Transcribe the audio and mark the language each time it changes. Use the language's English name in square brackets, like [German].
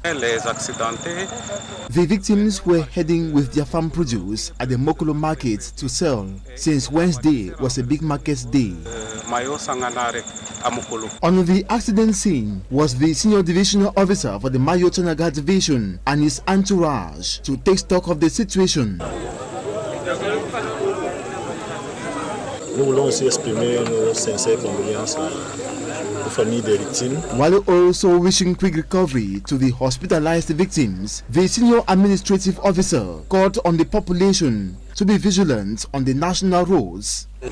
[English] The victims were heading with their farm produce at the Mukulu market to sell, since Wednesday was a big market day. On the accident scene was the senior divisional officer for the Mayo Chanaga division and his entourage to take stock of the situation. [French] Nous voulons aussi exprimer nos sincères condoléances aux familles des victimes. [English] While also wishing quick recovery to the hospitalized victims, the senior administrative officer called on the population to be vigilant on the national roads.